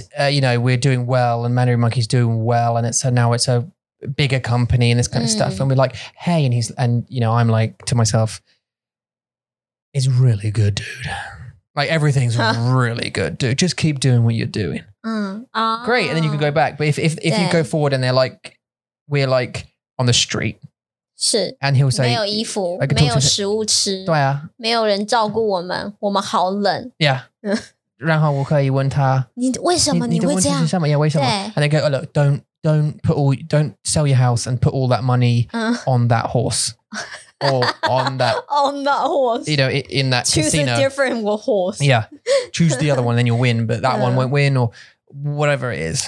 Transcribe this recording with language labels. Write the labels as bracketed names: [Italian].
[English] you know, we're doing well and Mandarin Monkey's doing well and now it's a bigger company and this kind of stuff. And we're like, hey, and you know, I'm like to myself, it's really good, dude. Like everything's really good, dude. Just keep doing what you're doing. Great. And then you can go back. But if you go forward and they're like, we're like on the street. [Chinese] 是, [English] and he'll say, [Chinese] 没有衣服, 没有食物吃, 对啊, 没有人照顾我们, 我们好冷。 [English] Yeah. [Chinese] 然后我可以问他, 你为什么, 你为什么? [English] And they go, oh, look, don't sell your house and put all that money on that horse. Or on that on that horse. You know, in that choose casino. A different horse. Yeah. Choose the other one, then you'll win, but that one won't win or whatever it is.